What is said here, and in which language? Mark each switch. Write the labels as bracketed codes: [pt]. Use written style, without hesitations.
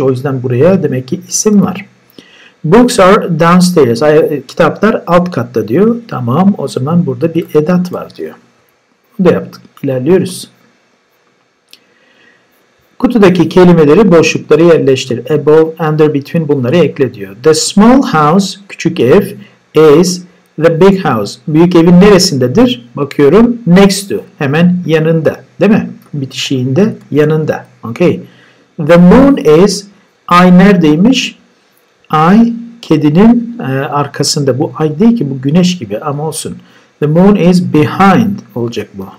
[tr] O yüzden buraya demek ki isim var. [en] Books are downstairs. [tr] Kitaplar alt katta diyor. Tamam, o zaman burada bir edat var diyor. Bunu da yaptık. İlerliyoruz. Kutudaki kelimeleri boşluklara yerleştir. Above, under, between bunları ekle diyor. [en] The small house, [tr] küçük ev, [en] is the big house. [tr] Büyük evin neresindedir? Bakıyorum. Next to. Hemen yanında. Değil mi? Bitişiğinde yanında. Okay. [en] The moon is, [tr] ay neredeymiş? Ay kedinin arkasında. Bu ay değil ki, bu güneş gibi ama olsun. [en] The moon is behind [tr] olacak bu.